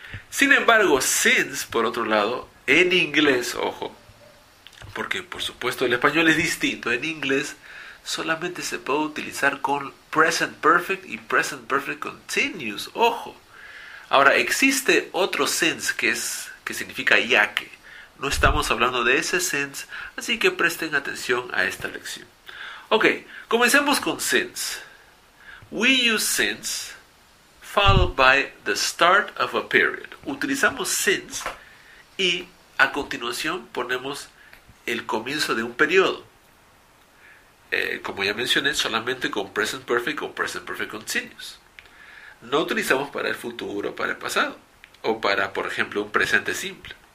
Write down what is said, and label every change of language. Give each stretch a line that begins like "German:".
Spanish: Sin embargo, since, por otro lado, en inglés, ojo, porque por supuesto el español es distinto, en inglés solamente se puede utilizar con present perfect y present perfect continuous, ojo. Ahora, existe otro since que significa ya que. No estamos hablando de ese since, así que presten atención a esta lección. Ok, comencemos con since.
English: We use since followed by the start of a period.
Spanish: Utilizamos since y a continuación ponemos el comienzo de un periodo. Como ya mencioné, solamente con present perfect o present perfect continuous. No utilizamos para el futuro, para el pasado o para, por ejemplo, un presente simple.